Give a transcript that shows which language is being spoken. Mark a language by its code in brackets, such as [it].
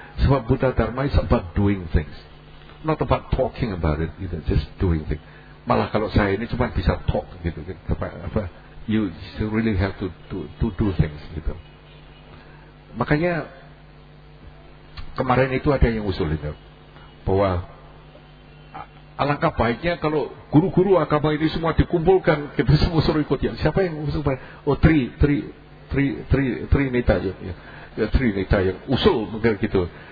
[en] Sebab Buddha Dharma is about doing things, not about talking about it, you know, just doing things. [id] Malah kalau saya ini cuma bisa talk, gitu. [en] Apa, you really have to do things, gitu. [id] Makanya kemarin itu ada yang usul, gitu, bahwa alangkah baiknya kalau guru-guru agama ini semua dikumpulkan, kita gitu, semua suruh ikut ya. Siapa yang usul? Oh, Trinita yang usul mungkin gitu.